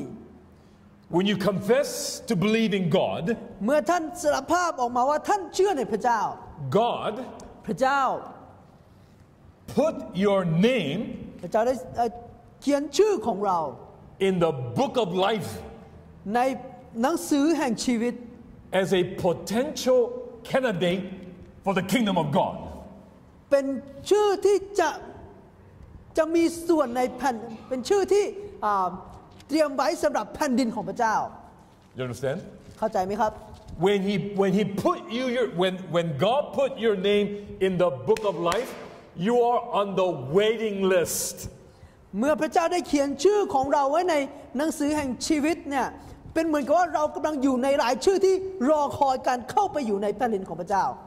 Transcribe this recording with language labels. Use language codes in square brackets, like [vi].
[en] When you confess to believe in God. [th] เมื่อท่านสารภาพออกมาว่าท่านเชื่อในพระเจ้า [en] God. [th] พระเจ้า [en] Put your name. [th] พระเจ้าได้เขียนชื่อของเรา [en] In the book of life. [th] ในหนังสือแห่งชีวิต [en] As a potential candidate for the kingdom of God, [th] เป็นชื่อที่จะมีส่วนในแผ่นเป็นชื่อที่เตรียมไว้สำหรับแผ่นดินของพระเจ้า [en] You understand? [th] เข้าใจไหมครับ [en] When he put you when God put your name in the book of life, you are on the waiting list. [th] เมื่อพระเจ้าได้เขียนชื่อของเราไว้ในหนังสือแห่งชีวิตเนี่ยเป็นเหมือนกับว่าเรากำลังอยู่ในรายชื่อที่รอคอยการเข้าไปอยู่ในแผ่นดินของพระเจ้า